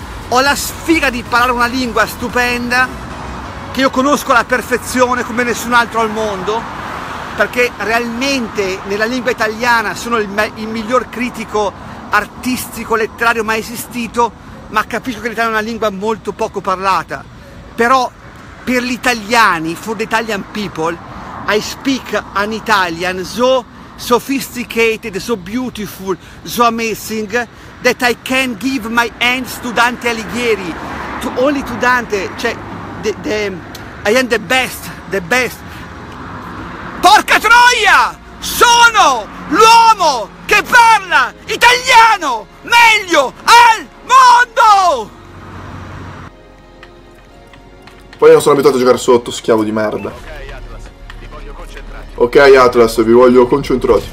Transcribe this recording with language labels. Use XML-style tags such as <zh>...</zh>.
<it>Ho la sfiga di imparare una lingua stupenda che io conosco alla perfezione come nessun altro al mondo, perché realmente nella lingua italiana sono il miglior critico artistico letterario mai esistito, ma capisco che l'italiano è una lingua molto poco parlata. Però per gli italiani,</it> <en>for the Italian people, I speak an Italian, so sophisticated, so beautiful, so amazing, that I can give my hands to Dante Alighieri, to only to Dante, cioè, I am the best.</en> <it>Porca troia! Sono l'uomo che parla italiano meglio al mondo! Poi non sono abituato a giocare sotto, schiavo di merda. Ok Atlas, vi voglio concentrati.</it>